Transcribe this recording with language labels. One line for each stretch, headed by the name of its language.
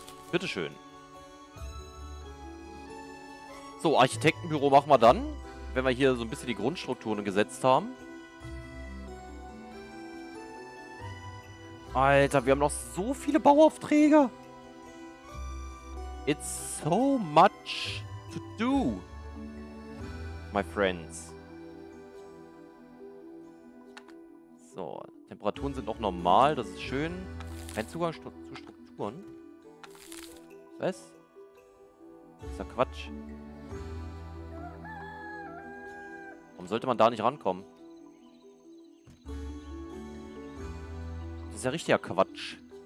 German: Bitteschön. So, Architektenbüro machen wir dann, wenn wir hier so ein bisschen die Grundstrukturen gesetzt haben. Alter, wir haben noch so viele Bauaufträge.
English: It's so much to do, my friends.
German: So, Temperaturen sind noch normal, das ist schön. Kein Zugang zu Strukturen. Was? Das ist ja Quatsch. Warum sollte man da nicht rankommen? Das ist ja richtiger Quatsch.